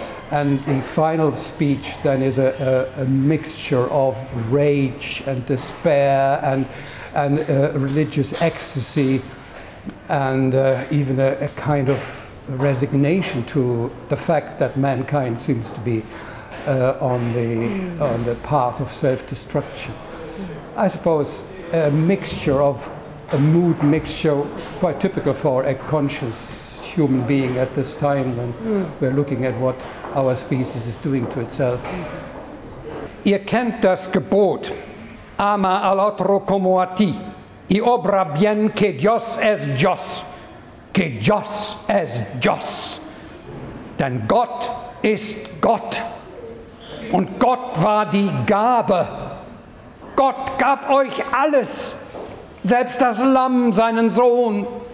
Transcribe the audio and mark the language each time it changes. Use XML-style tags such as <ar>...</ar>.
<en>And the final speech then is a mixture of rage and despair and religious ecstasy and even a kind of resignation to the fact that mankind seems to be on the path of self-destruction. I suppose a mood mixture quite typical for a conscious human being at this time when we're looking at what our species is doing to itself.</en> <de>Ihr kennt das Gebot,</de> <es>ama al otro como a ti, y obra bien que Dios es Dios. Que Joss es Joss,</es> <de>denn Gott ist Gott und Gott war die Gabe. Gott gab euch alles, selbst das Lamm seinen Sohn.</de>